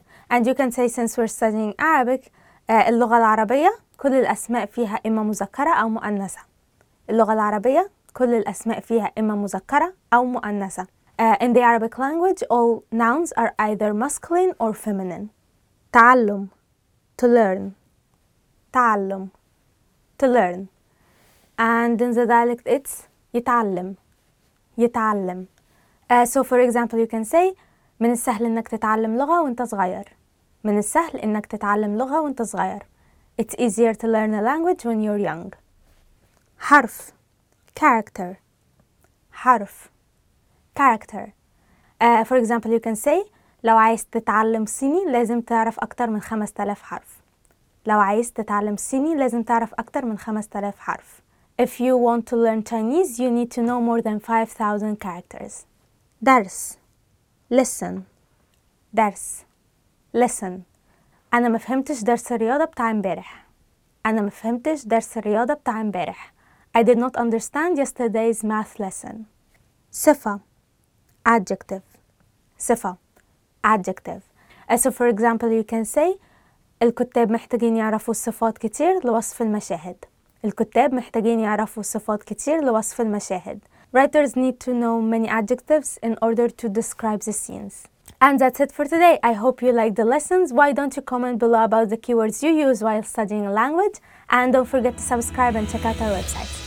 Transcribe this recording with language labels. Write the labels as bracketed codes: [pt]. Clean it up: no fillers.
[en] And you can say, since we're studying Arabic, [ar] اللغة العربية كل الأسماء فيها إما مذكرة أو مؤنثة. اللغة العربية كل الأسماء فيها إما مذكرة أو مؤنثة. [en] In the Arabic language, all nouns are either masculine or feminine. تعلم to learn. تعلم to learn. And in the dialect, it's يتعلم [ar] يتعلم. [en] So for example, you can say [ar] من السهل إنك تتعلم لغة وإنت صغير. من السهل إنك تتعلم لغة وإنت صغير. [en] It's easier to learn a language when you're young. [ar] حرف character حرف [en] character. For example, you can say [ar] لو عايز تتعلم صيني لازم تعرف أكتر من 5000 حرف. لو عايز تتعلم صيني لازم تعرف أكتر من 5000 حرف. [en] If you want to learn Chinese, you need to know more than 5000 characters. [ar] درس listen درس listen. أنا ما فهمتش درس الرياضة بتاع امبارح. أنا ما فهمتش درس الرياضة بتاع امبارح. [en] I did not understand yesterday's math lesson. [ar] صفة adjective صفة [en] adjective. So for example you can say [ar] الكتاب محتاجين يعرفوا صفات كتير لوصف المشاهد. الكتاب محتاجين يعرفوا صفات كتير لوصف المشاهد. [en] Writers need to know many adjectives in order to describe the scenes. And that's it for today. I hope you liked the lessons. Why don't you comment below about the keywords you use while studying a language, and don't forget to subscribe and check out our website.